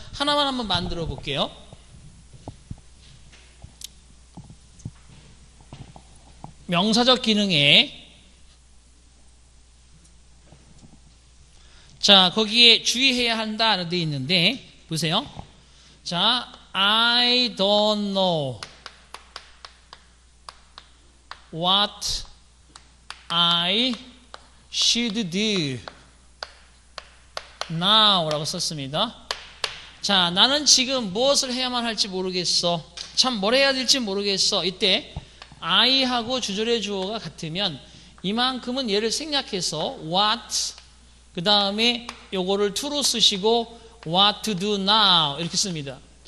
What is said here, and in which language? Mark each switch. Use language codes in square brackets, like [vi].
[ko] 하나만 한번 만들어 볼게요. 명사적 기능에 자 거기에 주의해야 한다 라고 되어 있는데 보세요. [en] 자, I don't know what I should do now [ko] 라고 썼습니다. 자, 나는 지금 무엇을 해야만 할지 모르겠어. 참 뭘 해야 될지 모르겠어. 이때 I하고 주절의 주어가 같으면 이만큼은 얘를 생략해서 what 그 다음에 요거를 to로 쓰시고 [en] what to do now [ko] 이렇게 씁니다.